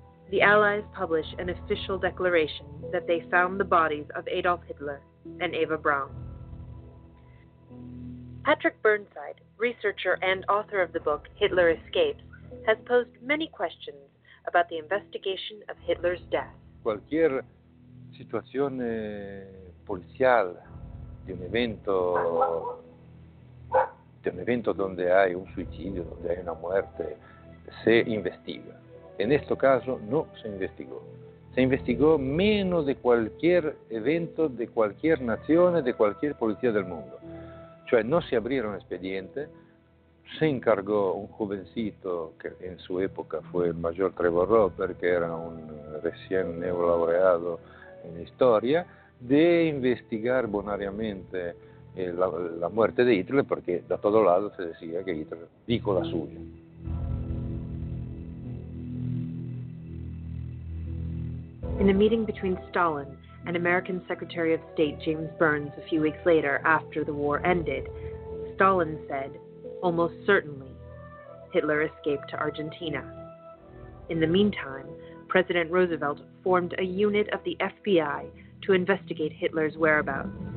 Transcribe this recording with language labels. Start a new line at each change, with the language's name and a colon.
English: The Allies publish an official declaration that they found the bodies of Adolf Hitler and Eva Braun. Patrick Burnside, researcher and author of the book Hitler Escapes, has posed many questions about the investigation of Hitler's death.
Spanish: Cualquier situación policial de un evento donde hay un suicidio, donde hay una muerte, se investiga. En este caso no se investigó. Se investigó menos de cualquier evento de cualquier nación, de cualquier policía del mundo. O sea, no se abrieron un expediente, se encargó un jovencito que en su época fue el mayor Trevor Roper, que era un recién neolaureado en historia, de investigar bonariamente la muerte de Hitler, porque de todo lado se decía que Hitler dijo la suya.
English: In a meeting between Stalin and American Secretary of State James Burns a few weeks later after the war ended, Stalin said, almost certainly, Hitler escaped to Argentina. In the meantime, President Roosevelt formed a unit of the FBI to investigate Hitler's whereabouts.